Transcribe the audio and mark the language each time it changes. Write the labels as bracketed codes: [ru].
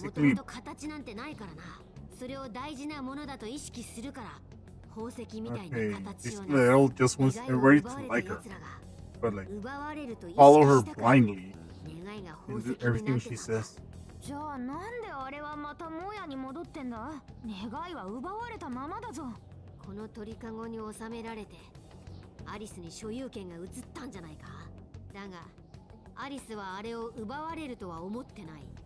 [ja] 間違いねえ。あそこに見えてるお宝らしきもや。あれが願いだ。あれが。確かにアリスが集めてるとは聞いてたけど。スカ、さっきまで宝石だったろ。なんであんなもやみたいになっちまったんだ。これはあくまでも我が輩の推測だが、あれが本来の願いの姿なんじゃないか。人間の願いは元々形なんてないからな。 [en] Idol just wants everybody to like her, but like follow her blindly and do everything she says. [ja] じゃあなんであれはまたモヤに戻ってんだ。願いは奪われたままだぞ。この鳥かごに収められてアリスに所有権が移ったんじゃないか。だがアリスはあれを奪われるとは思ってない。